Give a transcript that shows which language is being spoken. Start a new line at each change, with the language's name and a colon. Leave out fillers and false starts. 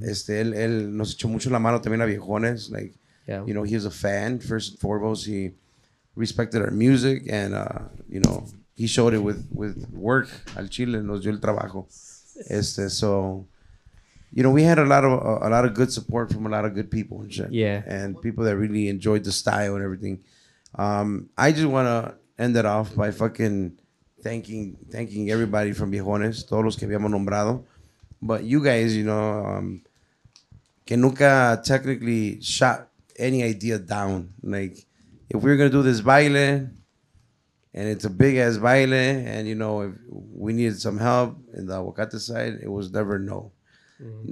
Spanish: Él nos echó mucho la mano también a Viejones.
English: Like, yeah. You know, he was a fan, first and foremost. He respected our music and, you know, he showed it with work.
Spanish: Al Chile nos dio el trabajo.
English: So, you know, we had a lot of good support from a lot of good people and shit. Yeah. And people that really enjoyed the style and everything. I just want to end it off by fucking... Thanking everybody from Viejones,
Spanish: todos los que habíamos nombrado.
English: But you guys, you know,
Spanish: que nunca
English: technically shot any idea down. Like, if we're going to do this baile, and it's a big-ass baile, and, you know, if we needed some help in the Aguacate side, it was never no. Mm-hmm.